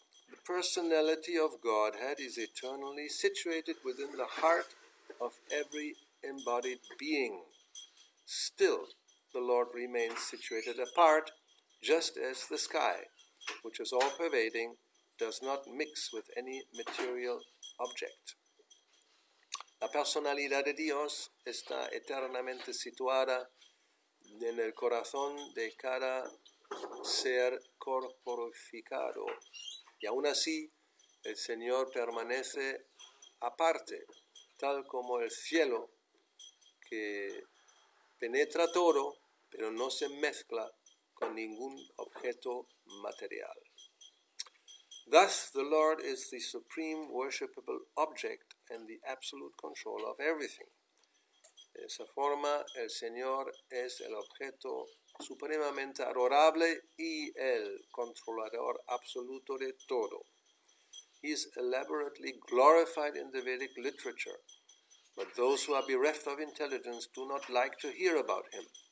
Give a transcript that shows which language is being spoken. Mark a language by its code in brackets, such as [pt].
[en] The personality of Godhead is eternally situated within the heart of every embodied being. Still, the Lord remains situated apart, just as the sky, which is all-pervading, does not mix with any material object. [es] La personalidad de Dios está eternamente situada en el corazón de cada ser corporificado. Y aún así, el Señor permanece aparte, tal como el cielo que penetra todo, pero no se mezcla con ningún objeto material. [en] Thus, the Lord is the supreme worshipable object and the absolute control of everything. [es] De esa forma, el Señor es el objeto supremamente adorable y el controlador absoluto de todo. [en] He is elaborately glorified in the Vedic literature, but those who are bereft of intelligence do not like to hear about him.